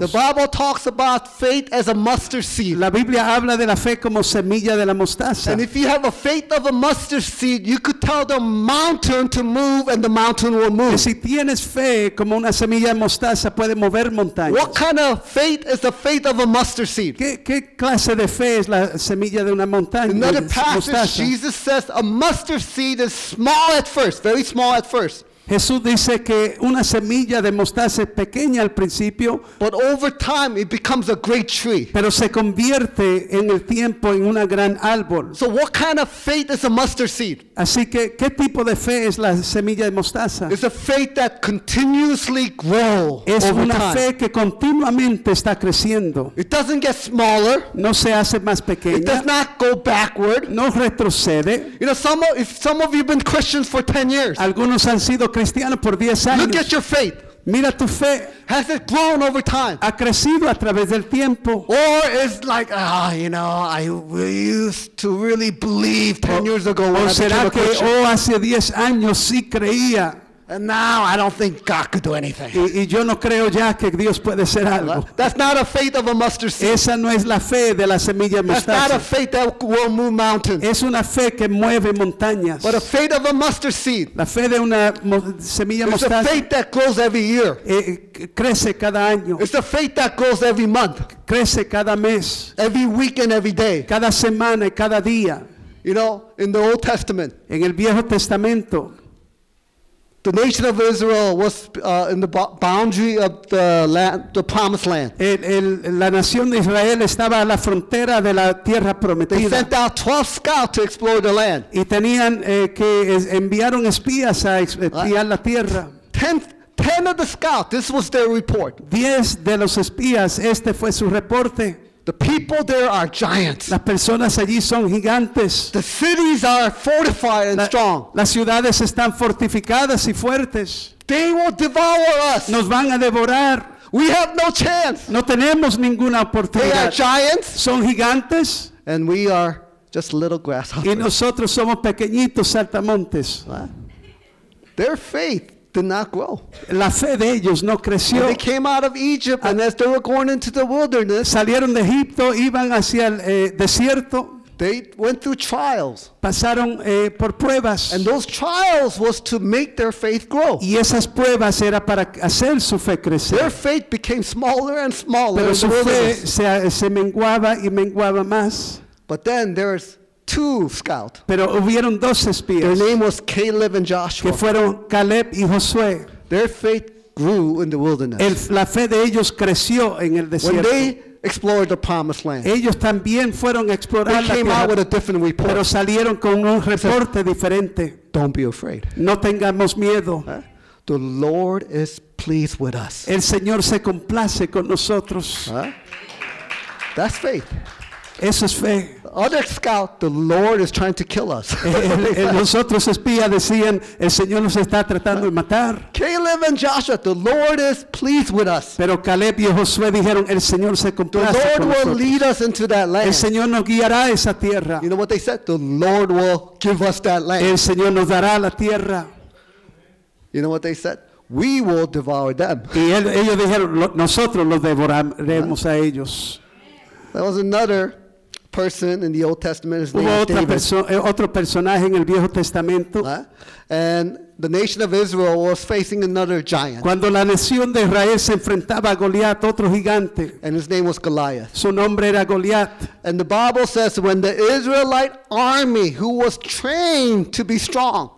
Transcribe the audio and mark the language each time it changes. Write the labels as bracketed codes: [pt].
[en] The Bible talks about faith as a mustard seed. [es] La Biblia habla de la fe como semilla de la mostaza. [en] And if you have a faith of a mustard seed, you could tell the mountain to move and the mountain will move. [es] Si tienes fe como una semilla de mostaza, puede mover montañas. [en] What kind of faith is the faith of a mustard seed? [es] ¿Qué clase de fe es la semilla de una montaña? [en] In another passage, Jesus says a mustard seed is small at first, very small at first. [es] Jesús dice que una semilla de mostaza es pequeña al principio, [en] but over time it becomes a great tree. [es] Pero se convierte en el tiempo en una gran árbol. [en] So what kind of faith is a mustard seed? [es] Así que, ¿qué tipo de fe es la semilla de mostaza? [en] It's a faith that continuously grows. [es] Es una fe que continuamente está creciendo. [en] It doesn't get smaller. [es] No se hace más pequeña. [en] It does not go backward. [es] No retrocede. [en] You know, some of you have been Christians for 10 years. [es] Algunos han sido cristiano por 10 años. [en] Look at your faith. [es] Mira tu fe. [en] Has it grown over time? [es] Ha crecido a través del tiempo. [en] Or is like, you know, I used to really believe 10 years ago when I became a Christian. [es] Oh, hace 10 años sí creía. [en] And now I don't think God could do anything. [es] Y yo no creo ya que Dios puede hacer algo. [en] That's not a faith of a mustard seed. [es] Esa no es la fe de la semilla de mostaza. [en] That's not a faith that will move mountains. [es] Es una fe que mueve montañas. [en] But a faith of a mustard seed. [es] La fe de una semilla de mostaza. [en] It's a faith that grows every year. [es] Crece cada año. [en] It's a faith that grows every month. [es] Crece cada mes. [en] Every week and every day. [es] Cada semana y cada día. [en] You know, in the Old Testament. [es] En el Viejo Testamento. [en] The nation of Israel was in the boundary of the land, the promised land. [es] La nación de Israel estaba a la frontera de la tierra prometida. [en] They sent out 12 scouts to explore the land. [es] Y tenían que enviaron espías a espiar la tierra. [en] 10 of the scouts, this was their report. [es] 10 de los espías, este fue su reporte. [en] The people there are giants. [es] Las personas allí son gigantes. [en] The cities are fortified and strong. [es] Las ciudades están fortificadas y fuertes. [en] They will devour us. [es] Nos van a devorar. [en] We have no chance. [es] No tenemos ninguna oportunidad. [en] They are giants. [es] Son gigantes. [en] And we are just little grasshoppers. [es] Y nosotros somos pequeñitos saltamontes. [en] Their faith did not grow. [es] La fe de ellos no creció. [en] And they came out of Egypt, and as they were going into the wilderness, [es] salieron de Egipto, iban hacia el desierto. [en] They went through trials. [es] Pasaron por pruebas. [en] And those trials was to make their faith grow. [es] Y esas pruebas era para hacer su fe crecer. [en] Their faith became smaller and smaller. [es] Pero su fe se menguaba y menguaba más. [en] But then there's two scouts. [es] Pero hubieron dos espías. [en] Their name was Caleb and Joshua. [es] Que fueron Caleb y Josué. [en] Their faith grew in the wilderness. [es] La fe de ellos creció en el desierto. [en] When they explored the promised land. [es] Ellos también fueron a explorar [en] they [es] la tierra. [en] They came out with a different report. [es] Pero salieron con un reporte diferente. [en] Don't be afraid. [es] No tengamos miedo. [en] The Lord is pleased with us. [es] El Señor se complace con nosotros. [en] That's faith. [es] Eso es fe. [en] Other scout, the Lord is trying to kill us. [es] Los otros espías decían, el Señor nos está tratando de matar. [en] Caleb and Joshua, the Lord is pleased with us. [es] Pero Caleb y Josué dijeron, el Señor se complace con nosotros. [en] The Lord will lead us into that land. [es] El Señor nos guiará esa tierra. [en] You know what they said? The Lord will give us that land. [es] El Señor nos dará la tierra. [en] You know what they said? We will devour them. [es] Y ellos dijeron, nosotros los devoraremos a ellos. [en] There was another person in the Old Testament. His name [es] otra [en] David. [es] Otro personaje en el Viejo Testamento. [en] And the nation of Israel was facing another giant. [es] Cuando la nación de Israel se enfrentaba a Goliat, otro gigante. [en] And his name was Goliath. [es] Su nombre era Goliat. [en] And the Bible says when the Israelite army who was trained to be strong.